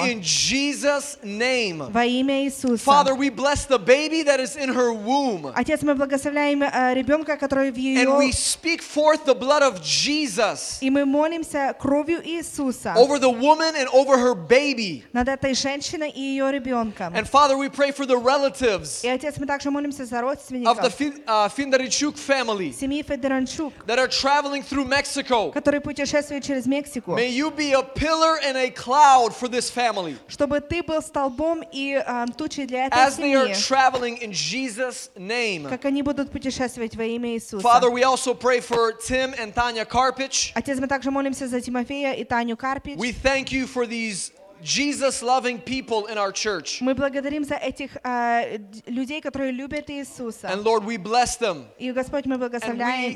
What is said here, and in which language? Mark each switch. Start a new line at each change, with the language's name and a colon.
English: In Jesus' name.
Russian: Во имя Иисуса.
English: Father, we bless the baby that is in her womb.
Russian: Отец, мы благословляем ребенка, который в ее.
English: And we speak forth the blood of Jesus.
Russian: И мы молимся кровью Иисуса.
English: Over the woman and over her baby.
Russian: Над этой женщиной и ее ребенком.
English: And Father, we pray for the relatives.
Russian: И отец, мы также молимся за родственников.
English: Of the Findarichuk family that are traveling through Mexico.
Russian: Которые путешествуют через Мексику.
English: May you be a pillar and a cloud for this family.
Russian: Чтобы ты был столбом и тучей для этой семьи.
English: As they are traveling in Jesus' name.
Russian: Как они будут путешествовать во имя Иисуса.
English: Father, we also pray for Tim and Tanya Karpich.
Russian: Отец, мы также молимся за Тимофея и Таню Карпич.
English: We thank you for these Jesus-loving people in our church.
Russian: Мы благодарим за этих людей, которые любят Иисуса.
English: And Lord, we bless them.
Russian: И Господь, мы благословляем их.